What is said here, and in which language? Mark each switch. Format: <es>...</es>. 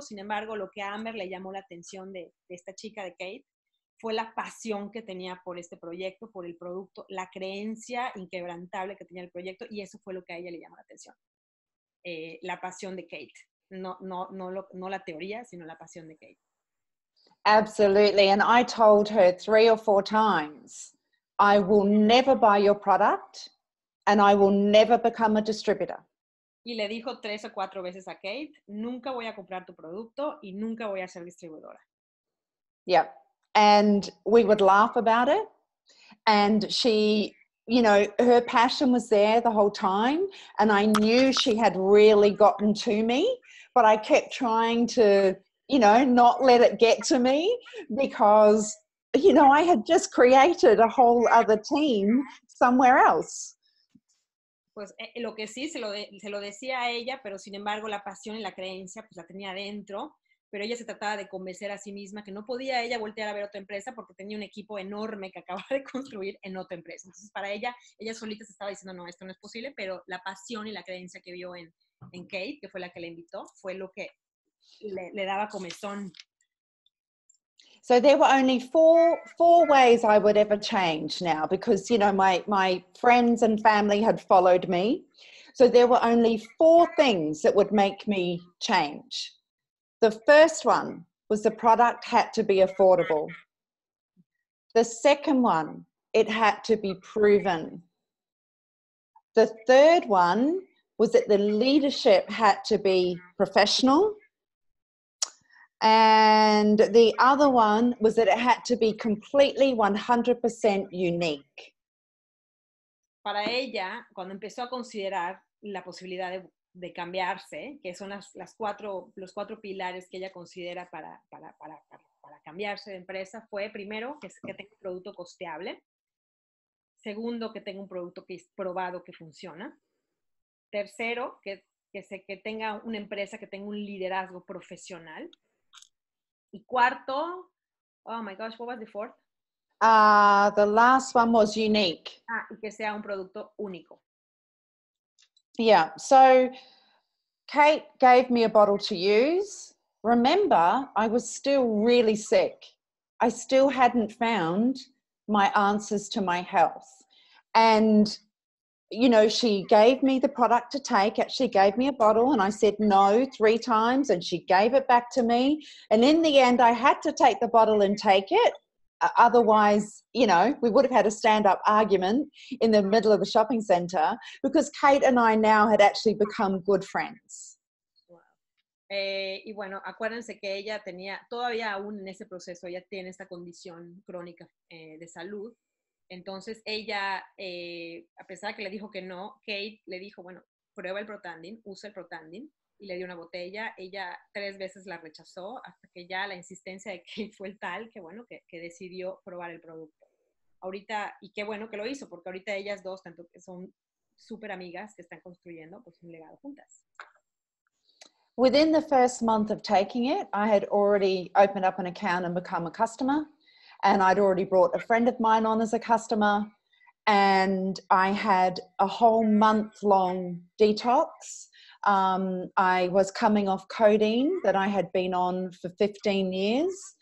<es>Sin embargo, lo que a Amber le llamó la atención de esta chica, de Kate, fue la pasión que tenía por este proyecto, por el producto, la creencia inquebrantable que tenía el proyecto, y eso fue lo que a ella le llamó la atención. La pasión de Kate. No la teoría, sino la pasión de Kate.</es> <en>Absolutely, and I told her 3 or 4 times, I will never buy your product, and I will never become a distributor.</en> <es>Y le dijo 3 o 4 veces a Kate, nunca voy a comprar tu producto y nunca voy a ser distribuidora.</es> <en>Yeah, and we would laugh about it, and she, you know, her passion was there the whole time, and I knew she had really gotten to me, but I kept trying to, you know, not let it get to me because, you know, I had just created a whole other team somewhere else.</en> <es>Pues lo que sí, se lo decía a ella, pero sin embargo la pasión y la creencia pues la tenía dentro, pero ella se trataba de convencer a sí misma que no podía ella voltear a ver otra empresa porque tenía un equipo enorme que acababa de construir en otra empresa. Entonces para ella, ella solita se estaba diciendo, no, esto no es posible, pero la pasión y la creencia que vio en Kate, que fue la que la invitó, fue lo que le daba comezón.</es> <en>So there were only four ways I would ever change now, because, you know, my friends and family had followed me. So there were only 4 things that would make me change. The first one was the product had to be affordable. The second one, it had to be proven. The third one was that the leadership had to be professional. And the other one was that it had to be completely 100% unique.</en> <es>Para ella, cuando empezó a considerar la posibilidad de cambiarse, que son los cuatro pilares que ella considera para cambiarse de empresa, fue primero que tenga un producto costeable. Segundo, que tenga un producto que es probado que funciona. Tercero, que tenga una empresa que tenga un liderazgo profesional. Y cuarto,</es> <en>oh my gosh, what was the fourth? The last one was unique.</en> <es>Ah, y que sea un producto único.</es> <en>Yeah, so Kate gave me a bottle to use. Remember, I was still really sick. I still hadn't found my answers to my health. And, you know, she gave me the product to take. Actually gave me a bottle and I said no 3 times and she gave it back to me. And in the end, I had to take the bottle and take it. Otherwise, you know, we would have had a stand-up argument in the middle of the shopping center because Kate and I now had actually become good friends. Wow.</en> <es>Y bueno, acuérdense que ella tenía, todavía aún en ese proceso, ella tiene esta condición crónica de salud. Entonces ella, a pesar de que le dijo que no, Kate le dijo, bueno, prueba el Protandin, usa el Protandin, y le dio una botella. Ella 3 veces la rechazó hasta que ya la insistencia de Kate fue tal que, bueno, que decidió probar el producto. Ahorita, y qué bueno que lo hizo, porque ahorita ellas dos tanto que son súper amigas que están construyendo pues un legado juntas.</es> <en>Within the first month of taking it, I had already opened up an account and become a customer. And I'd already brought a friend of mine on as a customer. And I had a whole month-long detox. I was coming off codeine that I had been on for 15 years.</en>